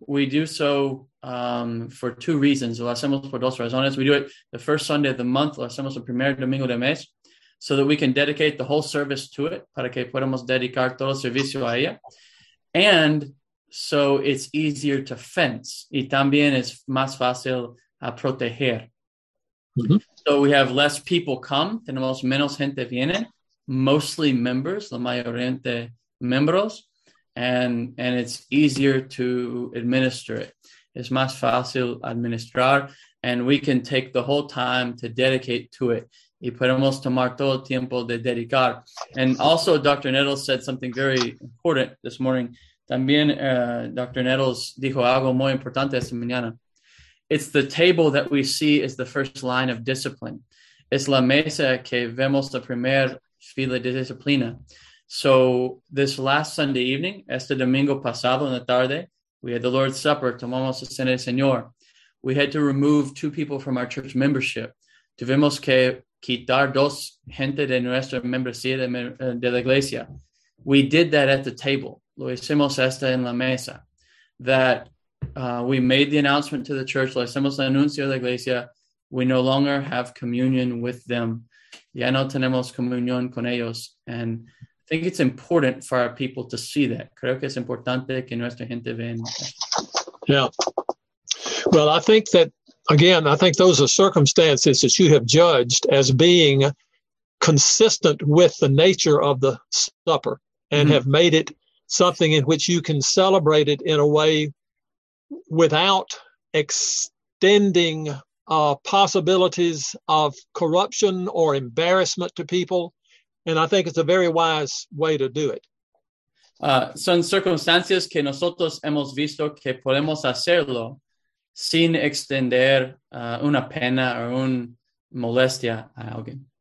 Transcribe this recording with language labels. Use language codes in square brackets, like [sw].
[en] We do so for two reasons. [es] Lo hacemos por dos razones. [en] We do it the first Sunday of the month. [es] Lo hacemos el primer domingo de mes. [en] So that we can dedicate the whole service to it. [es] Para que podamos dedicar todo el servicio a ella. [en] And so it's easier to fence. [es] Y también es más fácil a proteger. [en] So we have less people come. [es] Tenemos menos gente viene. [en] Mostly members. [es] La mayoría miembros. [en] And it's easier to administer it. [es] It's más fácil administrar. [en] And we can take the whole time to dedicate to it. [es] Y podemos tomar todo el tiempo de dedicar. [en] And also, Dr. Nettles said something very important this morning. [es] También Dr. Nettles dijo algo muy importante esta mañana. [en] It's the table that we see is the first line of discipline. [es] Es la mesa que vemos la primer fila de disciplina. [en] So this last Sunday evening, [es] este domingo pasado en la tarde, [en] we had the Lord's Supper, [es] tomamos la cena del Señor. [en] We had to remove two people from our church membership. [es] Tuvimos que quitar dos gente de nuestra membresía de la iglesia. [en] We did that at the table. [es] Lo hicimos esta en la mesa. [en] That we made the announcement to the church, [es] lo hicimos el anuncio de la iglesia, [en] we no longer have communion with them. [es] Ya no tenemos comunión con ellos. [en] And I think it's important for our people to see that. [es] Creo que es importante que nuestra gente vea. [en] Yeah. Well, I think that, again, I think those are circumstances that you have judged as being consistent with the nature of the supper and have made it something in which you can celebrate it in a way without extending possibilities of corruption or embarrassment to people. And I think it's a very wise way to do it. [es] Son circunstancias que nosotros hemos visto que podemos hacerlo sin extender una pena o un molestia a alguien.